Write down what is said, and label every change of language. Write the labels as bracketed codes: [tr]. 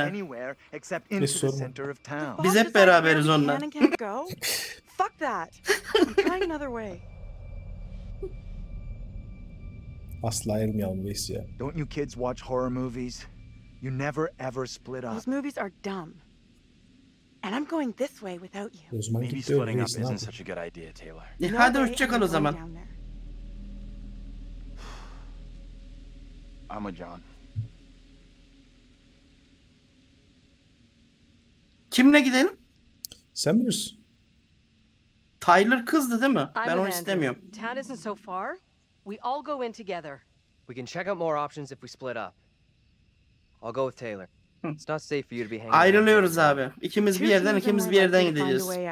[en] Anywhere except in the center of town. [tr] Biz hep beraberiz onunla. [en] Fuck that. Try another way. [tr] Asla ayrılmayalım biz ya. [en] Don't you kids watch horror movies? You never ever split up. Those movies are dumb. And I'm going this way without you. Maybe splitting up isn't such a good idea, [tr] Taylor. Hadi hoşçakal o zaman. [en] I'm a John. [tr] Kimle gidelim? Sen bilirsin. Tyler kızdı değil mi? Ben onu istemiyorum. [en] Town isn't so far. We all go in together. We can check out more options if we split up. I'll go with Taylor. It's not safe for you to be hanging. [tr] Ayrılıyoruz abi. İkimiz bir yerden, ikimiz bir yerden gideceğiz.